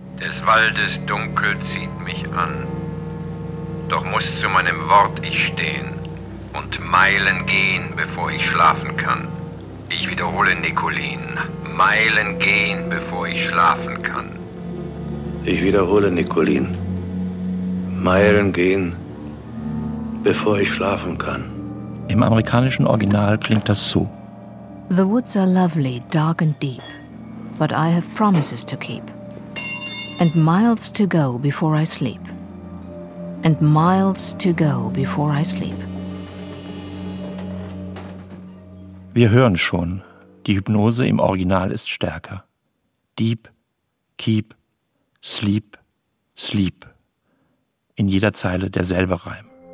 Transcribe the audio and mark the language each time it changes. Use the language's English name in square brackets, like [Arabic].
[German] Des Waldes Dunkel zieht mich an, doch muss zu meinem Wort ich stehen und Meilen gehen, bevor ich schlafen kann. Ich wiederhole, Nikolin, Meilen gehen, bevor ich schlafen kann. Ich wiederhole, Nikolin, Meilen gehen, bevor ich schlafen kann. Im amerikanischen Original klingt das so: [English] The woods are lovely, dark and deep, but I have promises to keep and miles to go before I sleep. And miles to go before I sleep. [German] Wir hören schon, die Hypnose im Original ist stärker. [English] Deep, keep, sleep, sleep. [German] In jeder Zeile derselbe Reim.